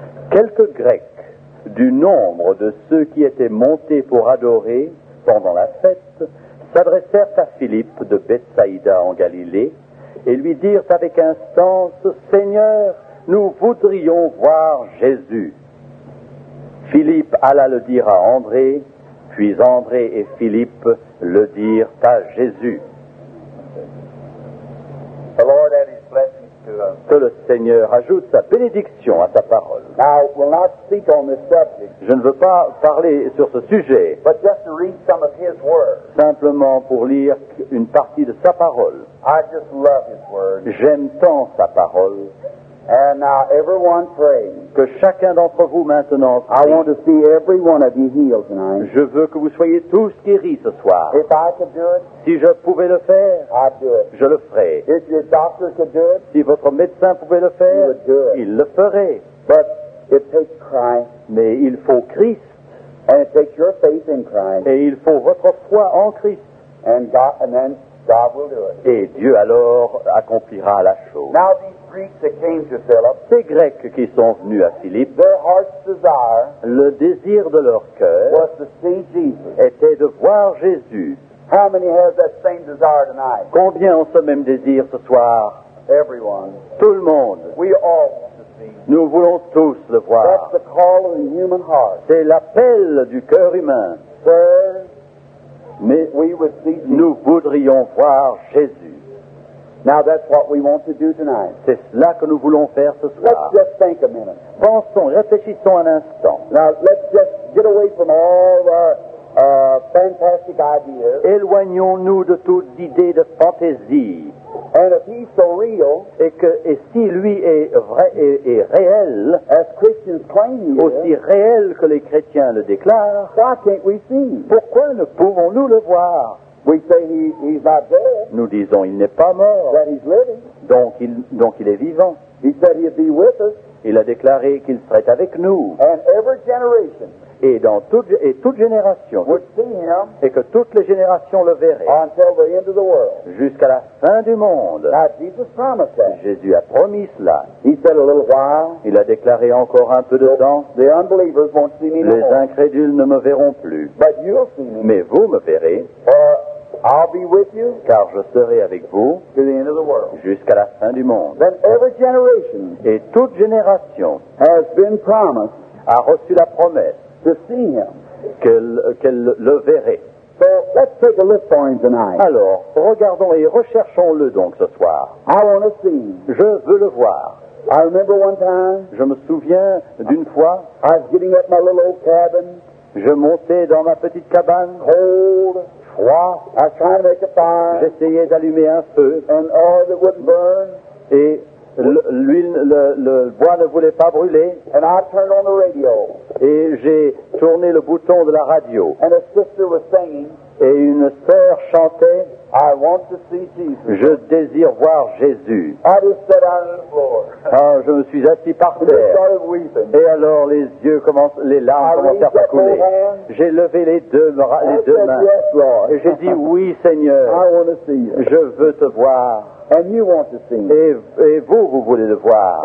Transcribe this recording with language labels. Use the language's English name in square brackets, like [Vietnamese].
[French] Quelques Grecs, du nombre de ceux qui étaient montés pour adorer pendant la fête, s'adressèrent à Philippe de Bethsaïda en Galilée et lui dirent avec instance, « Seigneur, nous voudrions voir Jésus. » Philippe alla le dire à André, puis André et Philippe le dirent à Jésus. [English] The Lord add his blessing to us. [French] Que le Seigneur ajoute sa bénédiction à sa parole. [English] Now, we'll not speak on this subject. [French] Je ne veux pas parler sur ce sujet, [English] but just to read some of his word. [French] Simplement pour lire une partie de sa parole. [English] I just love his word. [French] J'aime tant sa parole. [English] And now everyone pray. [French] Que chacun d'entre vous maintenant prie. [English] I want to see every one of you healed tonight. [French] Je veux que vous soyez tous guéris ce soir. [English] If I could do it, [French] si je pouvais le faire, [English] I'd do it. [French] Je le ferais. [English] If your doctor could do it, [French] si votre médecin pouvait le faire, [English] he would do it. [French] Il le ferait. [English] But it takes Christ. [French] Mais il faut Christ. [English] And it takes your faith in Christ. [French] Et il faut votre foi en Christ. [English] And then God will do it. [French] Et Dieu alors accomplira la chose. [English] Now these Greeks that came to Philip, [French] ces Grecs qui sont venus à Philippe, [English] their heart's desire, [French] le désir de leur cœur, [English] was to see Jesus, [French] était de voir Jésus. [English] How many have that same desire tonight? [French] Combien ont ce même désir ce soir? [English] Everyone. [French] Tout le monde. [English] We all. [French] Nous voulons tous le voir. [English] That's the call of the human heart. [French] C'est l'appel du cœur humain. [English] Sir, [French] mais [English] we would see Jesus. [French] Nous voudrions voir Jésus. [English] Now that's what we want to do tonight. [French] C'est cela que nous voulons faire ce soir. [English] Let's just think a minute. [French] Pensons, réfléchissons un instant. [English] Now let's just get away from all our fantastic ideas. [French] Éloignons-nous de toutes idées de fantaisie. [English] And if he's so real, [French] et si lui est vrai et réel, [English] as Christians claim he [French] aussi réel que les chrétiens le déclarent, [English] why can't we see? [French] Pourquoi ne pouvons-nous le voir? [English] We say he's not dead. [French] Nous disons il n'est pas mort. [English] That he's living. [French] Donc il est vivant. [English] He said he'd be with us. [French] Il a déclaré qu'il serait avec nous. [English] And every generation. [French] Et dans toute génération, et que toutes les générations le verraient, [English] until the end of the world. [French] Jusqu'à la fin du monde. [English] Now, Jesus promised that. [French] Jésus a promis cela. [English] He said a little while. [French] Il a déclaré encore un peu de temps. [English] The unbelievers won't see me. [French] Les incrédules ne me verront plus. [English] But you'll see me. [French] Mais vous me verrez. [English] I'll be with you. [French] Car je serai avec vous. [English] To the end of the world. [French] Jusqu'à la fin du monde. [English] Then every generation. [French] Et toute génération [English] has been promised. [French] A reçu la promesse. [English] To see him. [French] Qu'elle le verrait. [English] So let's take a look for him tonight. [French] Alors, regardons et recherchons-le donc ce soir. [English] I want to see. [French] Je veux le voir. [English] I remember one time. [French] Je me souviens d'une fois. [English] I was getting up my little old cabin. [French] Je montais dans ma petite cabane. [English] Cold. [French] Froid. [English] I was trying to make a fire. [French] J'essayais d'allumer un feu. [English] And oil it wouldn't burn. [French] Et le bois ne voulait pas brûler. [English] And I turned on the radio. [French] Et j'ai tourné le bouton de la radio. [English] And a sister was singing, [French] et une sœur chantait, [English] I want to see Jesus. [French] Je désire voir Jésus. [English] I just sat down on the floor. [French] Ah, je me suis assis par terre. [English] And I started weeping. [French] Et alors les larmes commencèrent à couler. J'ai levé les deux mains. [English] Yes, Lord. [French] Et j'ai dit, oui, Seigneur. [English] I want to see you. [French] Je veux te voir. [English] And you want to see me. [French] Et vous voulez le voir.